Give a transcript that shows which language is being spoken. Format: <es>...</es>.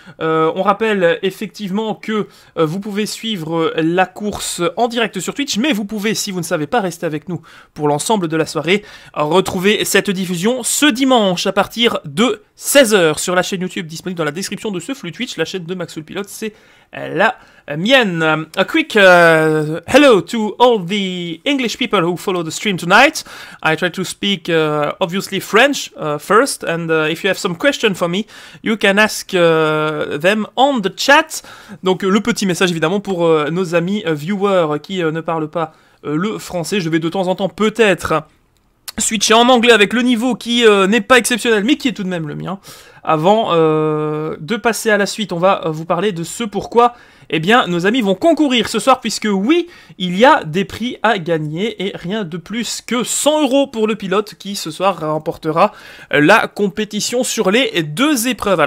<fr>On rappelle effectivement que vous pouvez suivre la course en direct sur Twitch, mais vous pouvez, si vous ne savez pas, rester avec nous pour l'ensemble de la soirée, retrouver cette diffusion ce dimanche à partir de 16h sur la chaîne YouTube disponible dans la description de ce flux Twitch. La chaîne de Max Soul Pilote, c'est la mienne.</fr> <en>A quick hello to all the English people who follow the stream tonight. I try to speak obviously French first, and if you have some question for me, you can ask them on the chat.</en> <fr>Donc le petit message évidemment pour nos amis viewers qui ne parlent pas le français. Je vais de temps en temps peut-être switcher en anglais avec le niveau qui n'est pas exceptionnel, mais qui est tout de même le mien. Avant de passer à la suite, on va vous parler de ce pourquoi eh bien, nos amis vont concourir ce soir, puisque oui, il y a des prix à gagner, et rien de plus que 100€ pour le pilote qui ce soir remportera la compétition sur les 2 épreuves.</fr>